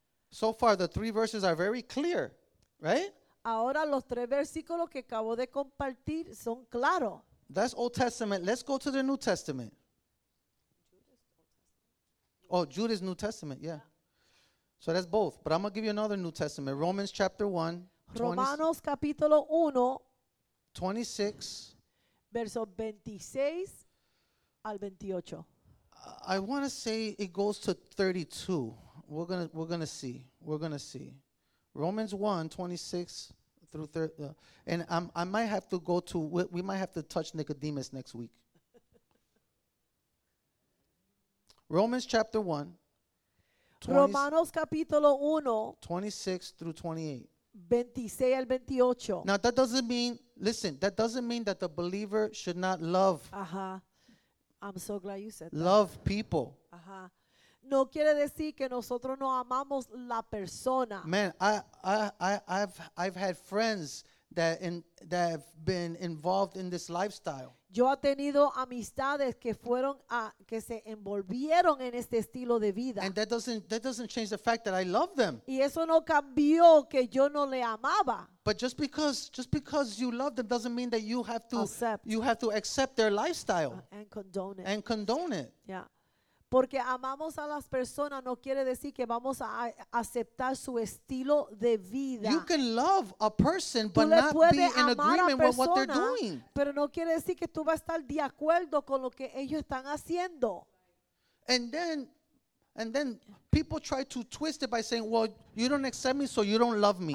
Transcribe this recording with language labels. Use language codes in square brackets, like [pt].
[en] So far the three verses are very clear, right? [es] Ahora los tres versículos que acabo de compartir son claros. [en] That's Old Testament. Let's go to the New Testament. Oh, Jude is New Testament, yeah. So that's both. But I'm going to give you another New Testament. Romans chapter 1. [es] Romanos capítulo 1. [en] 26. [es] Verso 26 al 28. [en] I want to say it goes to 32. We're gonna see. We're going to see. Romans 1, 26 through 30. I might have to go to, we might have to touch Nicodemus next week. Romans chapter 1, [es] 20, Romanos capítulo 1, [en] 26 through 28. [es] 26 al 28. [en] Now that doesn't mean, listen, that doesn't mean that the believer should not love. Uh-huh. I'm so glad you said that. Love people. Uh-huh. [es] No quiere decir que nosotros no amamos la persona. [en] Man, I've had friends that have been involved in this lifestyle. [es] Yo he tenido amistades que fueron a que se envolvieron en este estilo de vida. [en] And that doesn't change the fact that I love them. [es] Y eso no cambió que yo no le amaba. [en] But just because you love them doesn't mean that you have to accept their lifestyle. And condone it. Yeah. [es] Porque amamos a las personas no quiere decir que vamos a aceptar su estilo de vida. [en] You can love a person but not be in agreement [es] persona, [en] with what they're doing. [es] Pero no quiere decir que tú vas a estar de acuerdo con lo que ellos están haciendo. [en] And then people try to twist it by saying, well, you don't accept me, so you don't love me.